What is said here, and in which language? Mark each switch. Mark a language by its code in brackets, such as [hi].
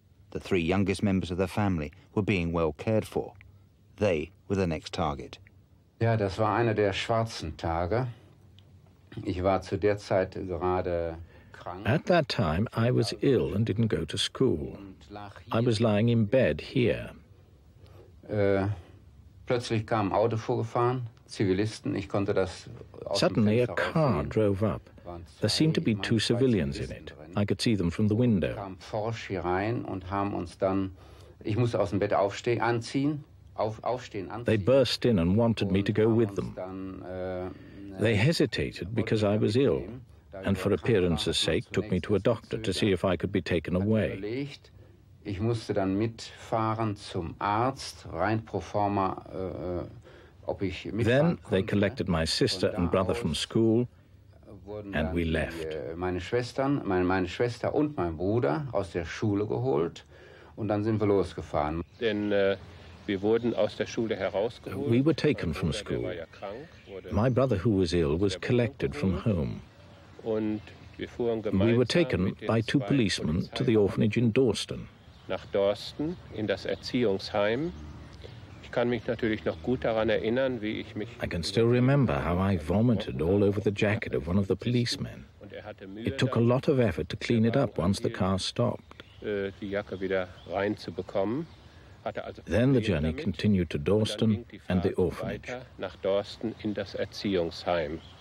[en] The three youngest members of the family were being well cared for. They were the next target. [de] Ja, das war einer der schwarzen Tage. Ich war zu der Zeit gerade krank. [en] At that time, I was ill and didn't go to school. I was lying in bed here. [de] Plötzlich kam ein Auto vorgefahren, Zivilisten, ich konnte das... [en] Suddenly a car drove up. There seemed to be two civilians in it. I could see them from the window. [de] Kam Forsche rein und haben uns dann... Ich musste aus dem Bett aufstehen, anziehen. [en] They burst in and wanted me to go with them. They hesitated because I was ill and for appearance's sake took me to a doctor to see if I could be taken away. [de] Ich musste dann mitfahren zum Arzt, rein pro forma, ob ich mitfahren konnte. [en] Then they collected my sister and brother from school and we left. [de] Meine Schwester und mein Bruder aus der Schule geholt und dann sind wir losgefahren. Denn wir wurden aus der Schule herausgeholt. [en] We were taken from school. My brother, who was ill, was collected from home. [de] Und wir fuhren gemeinsam. [en] We were taken by two policemen to the orphanage in Dorsten. [de] Nach Dorsten in das Erziehungsheim. Ich kann mich natürlich noch gut daran erinnern, wie ich mich. [en] I can still remember how I vomited all over the jacket of one of the policemen. It took a lot of effort to clean it up once the car stopped. [de] Die Jacke wieder reinzubekommen. [en] Then the journey continued to Dorsten and the orphanage. [de] Nach Dorsten in das Erziehungsheim.